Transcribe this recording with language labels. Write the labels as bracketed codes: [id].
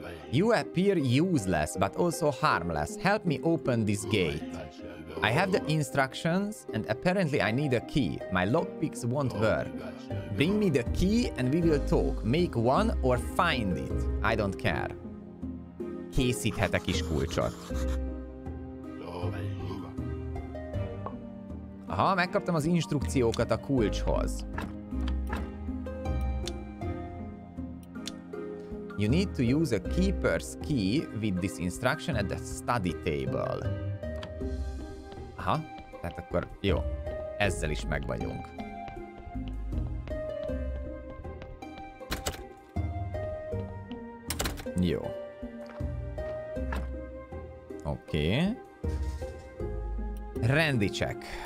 [en] You appear useless, but also harmless. Help me open this gate. I have the instructions, and apparently I need a key. My lockpicks won't work. Bring me the key, and we will talk. Make one or find it. I don't care. [hu] Készíthetek is kulcsot. Aha, megkaptam az instrukciókat a kulcshoz. You need to use a keeper's key with this instruction at the study table. Aha, tehát akkor jó, ezzel is megvagyunk. Jó. Oké. Rendicek.